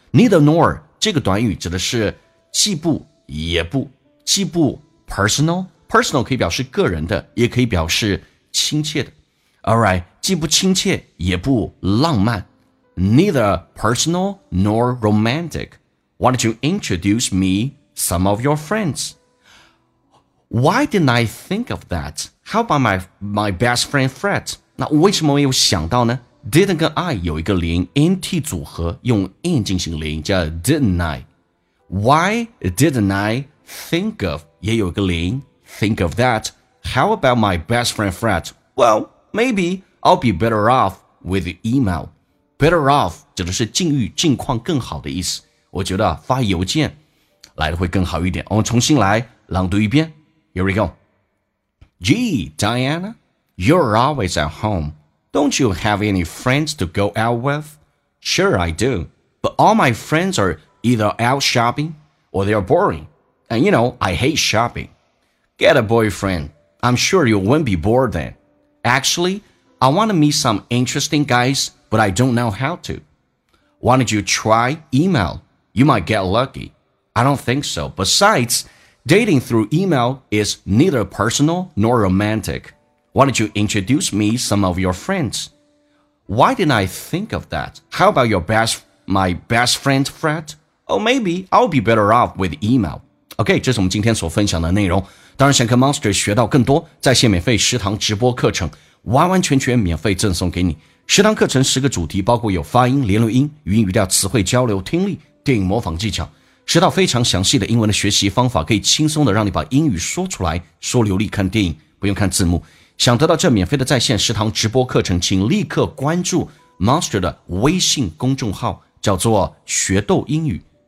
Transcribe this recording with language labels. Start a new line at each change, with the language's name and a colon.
Chinese: Neither nor, 这个短语指的是既不也不。既不 personal, personal 可以表示个人的也可以表示亲切的。 Alright, 既不亲切也不浪漫。
English: Neither personal nor romantic. Why don't you introduce me some of your friends? Why didn't I think of that? How about my best friend Fred?
Chinese: 那为什么没有想到呢 ?Didn't 跟 I 有一个连音 NT 组合用 N 进行连音叫 didn't I?
English: Why didn't I think of,
Chinese: 也有一个连音
English: think of that? How about my best friend Fred? Well, maybe I'll be better off with email.
Chinese: Better off 指的是境遇境况更好的意思。我觉得发邮件来的会更好一点。我们重新来朗读一遍。
English: Here we go. Gee, Diana, you're always at home. Don't you have any friends to go out with? Sure, I do. But all my friends are either out shopping or they're boring. And you know, I hate shopping. Get a boyfriend. I'm sure you won't be bored then. Actually, I want to meet some interesting guys, but I don't know how to. Why don't you try email? You might get lucky. I don't think so. Besides... Dating through email is neither personal nor romantic. Why don't you introduce me some of your friends? Why didn't I think of that? How about my best friend, Fred? Oh, maybe I'll be better off with email.
Chinese: OK, 这是我们今天所分享的内容。当然想跟 Monster 学到更多在线免费食堂直播课程完完全全免费赠送给你。食堂课程十个主题包括有发音、连录音、语音语调、词汇交流、听力、电影模仿技巧。学到非常详细的英文的学习方法可以轻松的让你把英语说出来说流利看电影不用看字幕想得到这免费的在线食堂直播课程请立刻关注 Monster 的微信公众号叫做学豆英语